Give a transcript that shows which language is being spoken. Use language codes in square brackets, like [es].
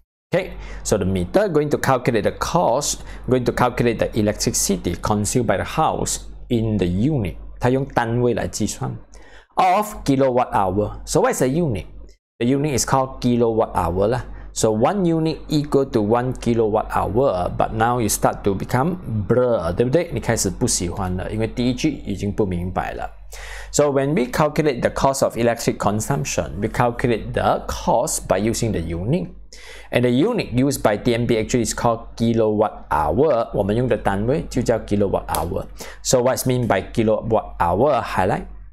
[en] Okay, so the meter going to calculate the cost, going to calculate the electricity consumed by the house in the unit. [zh] 它用单位来计算. [en] Of kilowatt hour. So what is a unit? The unit is called kilowatt hour. So one unit equal to 1 kilowatt hour, but now you start to become blur, [zh] 对不对? 你开始不喜欢了, 因为第一句已经不明白了. [en] So when we calculate the cost of electric consumption, we calculate the cost by using the unit. And the unit used by TMB actually is called kilowatt hour. [zh] 我们用的单位就叫 [en] kilowatt hour. So what's mean by kilowatt hour? Highlight.